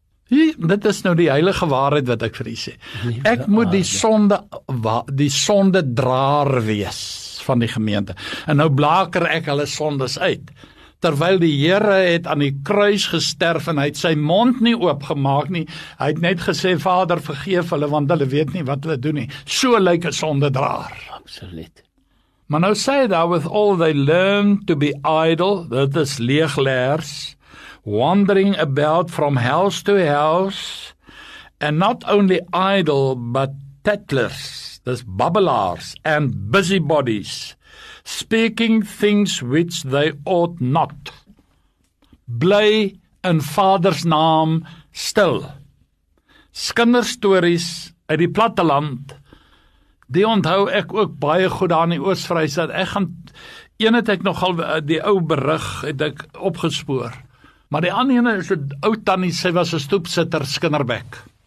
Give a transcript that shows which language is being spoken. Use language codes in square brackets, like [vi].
[af] Hier, dit is nou die heilige waarheid wat ek vir u sê. Ek moet die sondedraer wees van die gemeente. En nou blaker ek hulle sondes uit. Terwyl die Here het aan die kruis gesterf en hy het sy mond nie oopgemaak nie, hy het net gesê, Vader vergeef hulle, want hulle weet nie wat hulle doen nie. So lyk 'n sondedraer. Absoluut. Maar nou sê hy daar, [en] with all they learn to be idle, [af] dit is leeglers, [en] wandering about from house to house, and not only idle, but tattlers, [af] dis babbelaars [en] and busybodies, speaking things which they ought not. [af] Bly in Vaders naam stil. Skinderstories uit die platteland, die onthou ek ook baie goed aan die Oos-Vrystaat. Ek gaan, een het ek nogal die ou berig het ek opgespoor, maar die ander ene is die ou tannie, sy was 'n stoepsitter Skinderbek.